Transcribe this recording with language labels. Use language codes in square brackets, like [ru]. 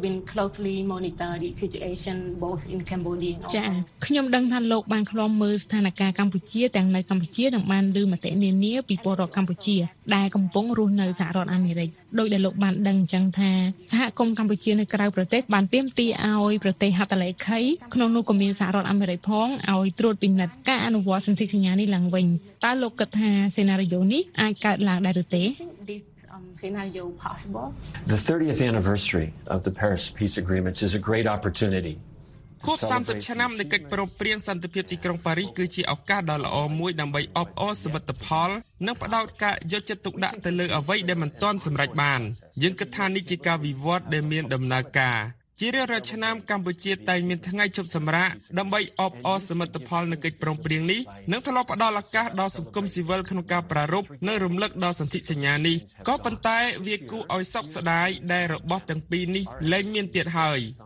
[en] been closely monitor the situation both in Cambodia [km] ចា៎ខ្ញុំដឹងថាលោកបានឃ្លាំមើលស្ថានភាពកម្ពុជាទាំងនៅកម្ពុជានិងបានឮមតិនានាពីពលរដ្ឋកម្ពុជាដែលកំពុងរស់នៅសហរដ្ឋអាមេរិកដោយដែលលោកបានដឹងអញ្ចឹងថាសហគមន៍កម្ពុជានៅក្រៅប្រទេសបានទាមទារឲ្យប្រទេសហត្ថលេខីក្នុងនោះក៏មានសហរដ្ឋអាមេរិកផងឲ្យត្រួតពិនិត្យការអនុវត្តសន្ធិសញ្ញានេះឡើងវិញតើលោកគិតថាសេណារីយ៉ូនេះអាចកើតឡើងដែរឬទេ [en] The 30th anniversary of the Paris Peace Agreements is a great opportunity. [km] គូប30ឆ្នាំនៃកិច្ចប្រឹងប្រែងសន្តិភាពទីក្រុងប៉ារីសគឺជាឱកាសដ៏ល្អមួយដើម្បីអបអរសមិទ្ធផលនិងផ្តោតការយកចិត្តទុកដាក់ទៅលើអ្វីដែលមិនទាន់សម្រេចបានយើងគិតថានេះជាការវិវត្តដែលមានដំណើរការជារៀងរាល់ឆ្នាំកម្ពុជាតែងមានថ្ងៃឈប់សម្រាកដើម្បីអបអរសមិទ្ធផលនៃកិច្ចប្រឹងប្រែងនេះនិងធ្លាប់ផ្តល់ឱកាសដល់សង្គមស៊ីវិលក្នុងការប្រារព្ធនិងរំលឹកដល់សន្ធិសញ្ញានេះក៏ប៉ុន្តែវាគួរឲ្យសោកស្ដាយដែលរបស់ទាំងពីរនេះលែងមានទៀតហើយ